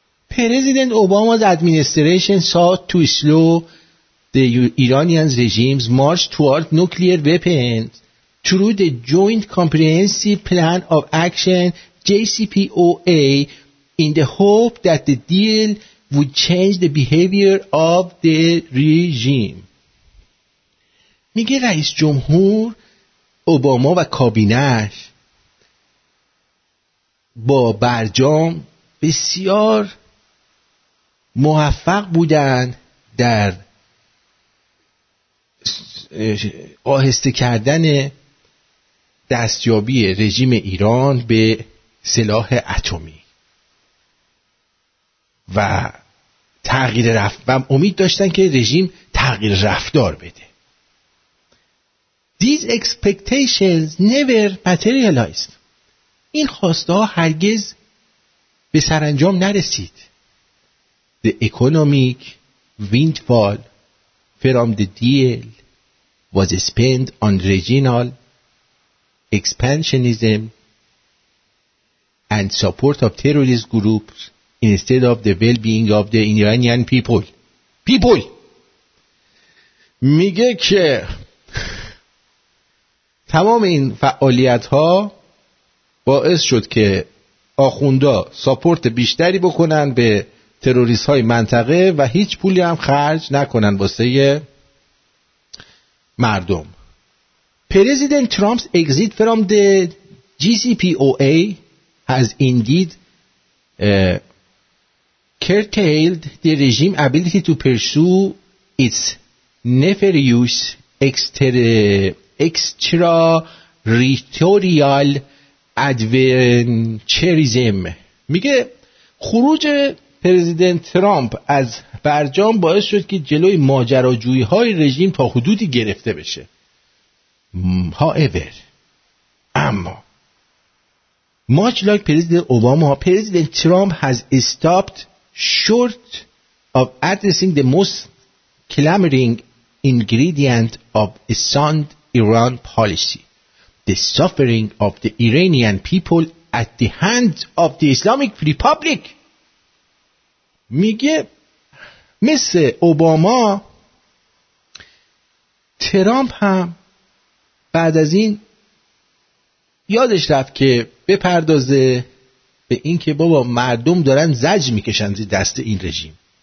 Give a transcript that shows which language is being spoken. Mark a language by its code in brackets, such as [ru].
[en] President Obama's administration sought to slow the Iranian regime's march toward nuclear weapons through the Joint Comprehensive Plan of Action JCPOA in the hope that the deal would change the behavior of the regime. [fa] میگه رئیس جمهور اوباما و کابینش با برجام بسیار موفق بودند در آهسته کردن دستیابی رژیم ایران به سلاح اتمی و تغییر رفتار، و امید داشتن که رژیم تغییر رفتار بده. [en] These expectations never materialized. [fa] این خواسته‌ها هرگز به سرانجام نرسید. [en] The economic windfall from the deal was spent on regional expansionism and support of terrorist groups instead of the well-being of the Iranian people. People! [fa] میگه که تمام این فعالیت ها باعث شد که آخونده ساپورت بیشتری بکنن به تروریست های منطقه و هیچ پولی هم خرج نکنن واسه مردم. [en] President Trump's exit from the J C P O A has indeed curtailed the regime ability to pursue its nefarious extraterritorial adventurism. [fa] میگه خروج پرزیدنت ترامپ از برجام باعث شد که جلوی ماجراجویی های رژیم تا حدودی گرفته بشه. [en] however [fa] اما [en] much like President Obama, President Trump has stopped short of addressing the most clamoring ingredient of a sound Iran policy, the suffering of the Iranian people at the hands of the Islamic Republic. [fa] میگه مثل اوباما ترامپ هم بعد از این یادش رفت که بپردازه به این که بابا مردم دارن زجر میکشن زیر دست این رژیم.